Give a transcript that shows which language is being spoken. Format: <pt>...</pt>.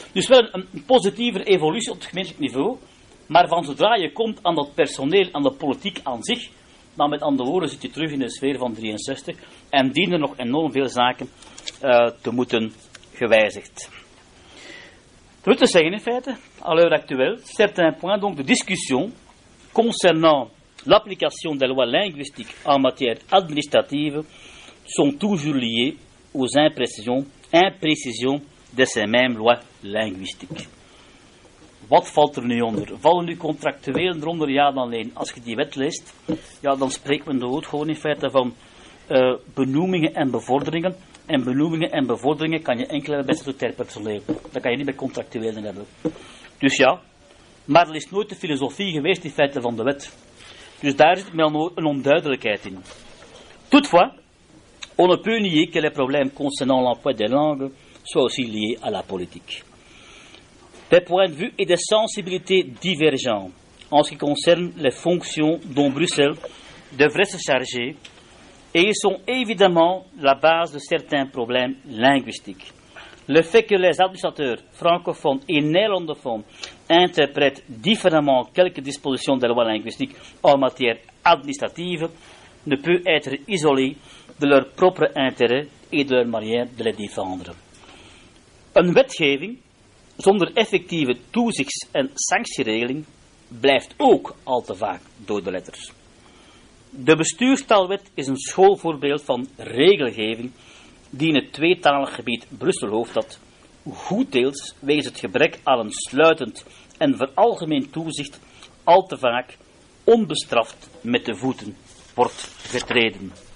<nl>Dus wel een positieve evolutie op het gemeentelijk niveau. Maar van zodra je komt aan dat personeel, aan de politiek aan zich, dan met andere woorden zit je terug in de sfeer van 63 en dienen nog enorm veel zaken te moeten gewijzigd. Dat wil dus zeggen in feite,</nl> <fr>à l'heure actuelle, certains points, donc de discussion concernant l'application des lois linguistiques en matière administrative sont toujours liées aux imprécisions de ces mêmes lois linguistiques.</fr> <nl>Wat valt er nu onder? Vallen nu contractueel eronder? Ja, dan alleen. Als je die wet leest, ja, dan spreekt men dood gewoon in feite van benoemingen en bevorderingen. En benoemingen en bevorderingen kan je enkel hebben bij statutair personeel. Dat kan je niet bij contractueel hebben. Dus ja, maar er is nooit de filosofie geweest in feite van de wet. Dus daar zit wel een onduidelijkheid in.</nl> <fr>Toutefois, on ne peut nier que les problèmes concernant l'emploi des langues soient aussi liés à la politique. Des points de vue et des sensibilités divergents en ce qui concerne les fonctions dont Bruxelles devrait se charger et ils sont évidemment la base de certains problèmes linguistiques. Le fait que les administrateurs francophones et néerlandophones interprètent différemment quelques dispositions de la loi linguistique en matière administrative ne peut être isolé de leur propre intérêt et de leur manière de les défendre.</fr> <nl>Een wetgeving zonder effectieve toezichts- en sanctieregeling blijft ook al te vaak dode letters. De bestuurstaalwet is een schoolvoorbeeld van regelgeving die in het tweetalig gebied Brussel-Hoofdstad goeddeels wegens het gebrek aan een sluitend en veralgemeen toezicht al te vaak onbestraft met de voeten wordt getreden.</nl>